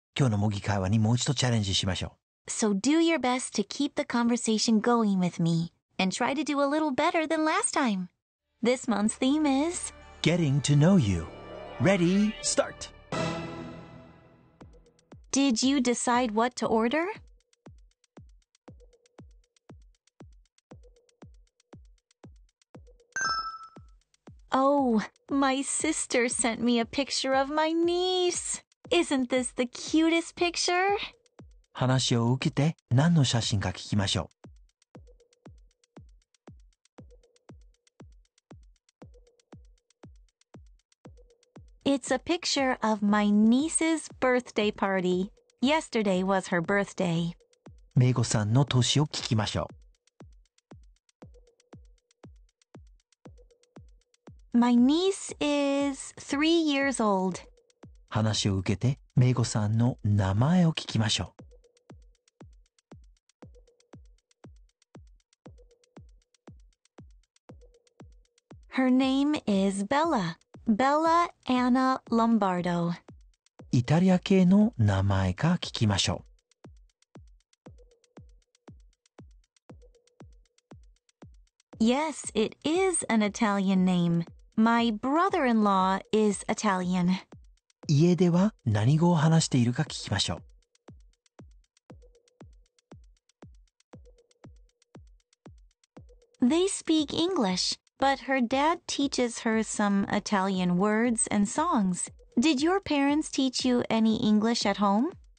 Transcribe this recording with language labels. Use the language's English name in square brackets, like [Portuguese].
[Japanese] 今日の模擬会話にもう一度チャレンジしましょう。 [English] So do your best to keep the conversation going with me and try to do a little better than last time. This month's theme is... Getting to know you. Ready, start! Did you decide what to order? Oh, my sister sent me a picture of my niece. Isn't this the cutest picture? [Japanese] 話を受けて何の写真か聞きましょう。 [English] It's a picture of my niece's birthday party. Yesterday was her birthday. [Japanese] めいごさんの年を聞きましょう。 [English] My niece is 3 years old. [Japanese] 話を受けて、めいごさんの名前を聞きましょう。 [English] Her name is Bella. Bella Anna Lombardo. [Japanese] イタリア系の名前か聞きましょう。 [English] Yes, it is an Italian name. My brother-in-law is Italian. [Japanese] 家では何語を話しているか聞きましょう。 [English] They speak English, but her dad teaches her some Italian words and songs. Did your parents teach you any English at home?